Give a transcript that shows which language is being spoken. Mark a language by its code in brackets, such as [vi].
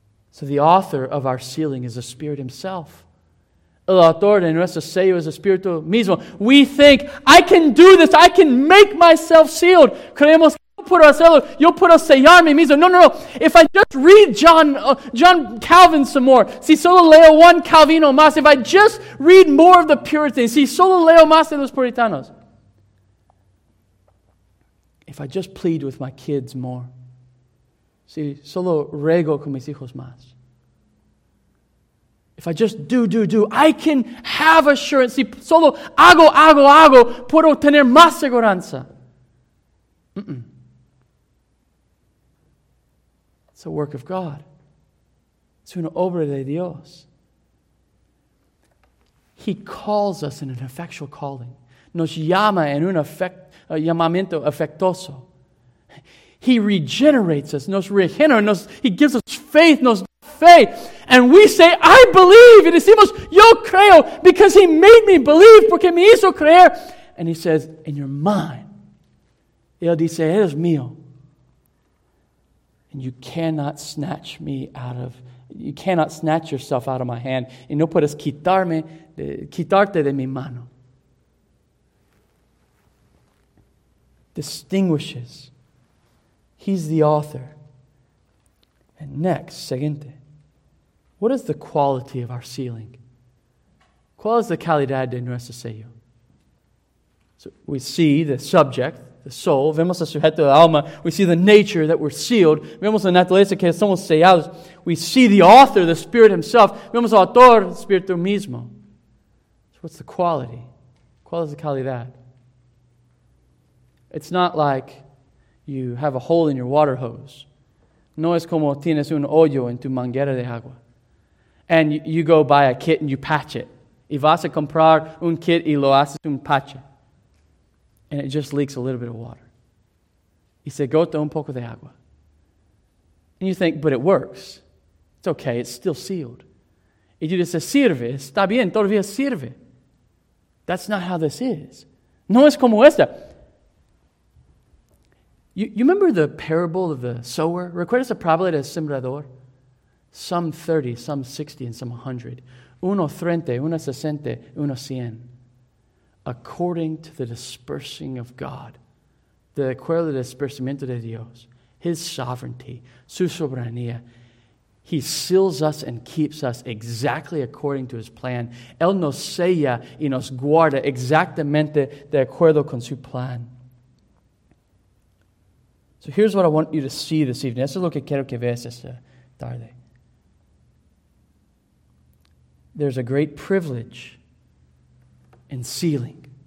[en] So the author of our sealing is the Spirit himself. [es] El autor de nuestro sello es el Espíritu mismo. [en] We think, I can do this. I can make myself sealed. [es] Creemos que yo puedo hacerlo. Yo puedo sellarme mismo. No, no, no. [en] If I just read John Calvin some more. [es] Si solo leo one Calvino más. [en] If I just read more of the Puritans. [es] Si solo leo más de los Puritanos. [en] If I just plead with my kids more. [es] Si solo ruego con mis hijos más. [en] If I just do, I can have assurance. [es] Si solo hago, puedo tener más seguranza. Mm-mm. [en] It's a work of God. [es] Es una obra de Dios. [en] He calls us in an effectual calling. [es] Nos llama en un efecto. A llamamiento afectoso. [en] He regenerates us. [es] Nos regenera. [en] He gives us faith. [es] Nos da fe. [en] And we say, I believe. [es] Y decimos, yo creo. [en] Because he made me believe. [es] Porque me hizo creer. [en] And he says, and you're mine. [es] Y él dice, eres mío. [en] And you cannot snatch me out of. You cannot snatch yourself out of my hand. [es] Y no puedes quitarte de mi mano. [en] Distinguishes. He's the author. And next, [es] siguiente. [en] What is the quality of our sealing? [es] ¿Cuál es la calidad de nuestro sello? [en] So we see the subject, the soul. [es] Vemos el sujeto del alma. [en] We see the nature that we're sealed. [es] Vemos la naturaleza que somos sellados. [en] We see the author, the Spirit Himself. [es] Vemos el autor, el Espíritu mismo. [en] So what's the quality? [es] ¿Cuál es la calidad? [en] It's not like you have a hole in your water hose. [es] No es como tienes un hoyo en tu manguera de agua. [en] And you go buy a kit and you patch it. [es] Y vas a comprar un kit y lo haces un patch. [en] And it just leaks a little bit of water. [es] Y se gota un poco de agua. [en] And you think, but it works. It's okay, it's still sealed. [es] Y tú dices, sirve, está bien, todavía sirve. [en] That's not how this is. [es] No es como esta. [en] You remember the parable of the sower? [es] ¿Recuerdas la parábola del sembrador? [en] Some 30, some 60, and some 100. [es] Uno 30, uno 60, uno 100. [en] According to the dispersing of God, [es] de acuerdo al dispersamiento de Dios, [en] His sovereignty, [es] su soberanía, [en] He seals us and keeps us exactly according to His plan. [es] Él nos sella y nos guarda exactamente de acuerdo con su plan. [en] So here's what I want you to see this evening. [es] Eso es lo que quiero que veas esta tarde. [en] There's a great privilege in sealing.